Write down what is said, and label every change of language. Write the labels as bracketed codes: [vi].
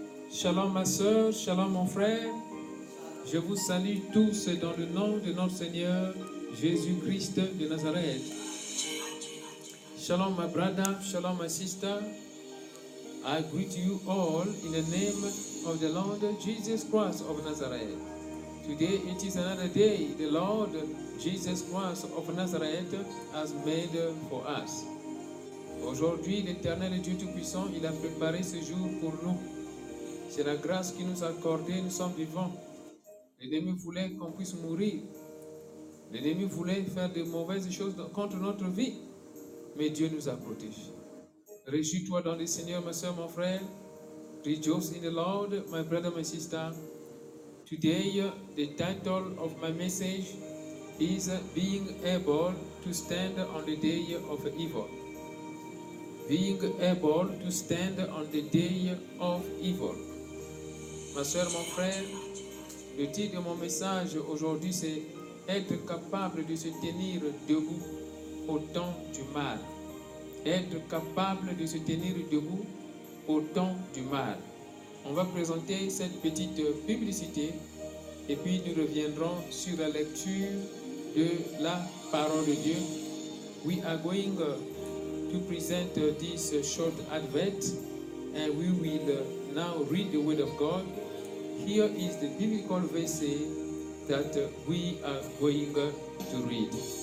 [fr] Shalom ma soeur, shalom mon frère, je vous salue tous dans le nom de notre Seigneur Jésus-Christ de Nazareth. [en] Shalom ma brother, shalom ma sister, I greet you all in the name of the Lord Jesus Christ of Nazareth. Today it is another day the Lord Jesus Christ of Nazareth has made for us. [fr] Aujourd'hui l'Éternel Dieu Tout-Puissant, il a préparé ce jour pour nous. C'est la grâce qui nous a accordé, nous sommes vivants. L'ennemi voulait qu'on puisse mourir. L'ennemi voulait faire de mauvaises choses contre notre vie. Mais Dieu nous a protégés. Réjouis-toi dans le Seigneur, ma soeur, mon frère. [en] Rejoice in the Lord, my brother, my sister. Today, the title of my message is Being Able to Stand on the Day of Evil. Being Able to Stand on the Day of Evil. [fr] Ma soeur, mon frère, le titre de mon message aujourd'hui, c'est être capable de se tenir debout au temps du mal. Être capable de se tenir debout au temps du mal. On va présenter cette petite publicité et puis nous reviendrons sur la lecture de la parole de Dieu. [en] We are going to present this short advert and we will now read the word of God. Here is the biblical verse that we are going to read.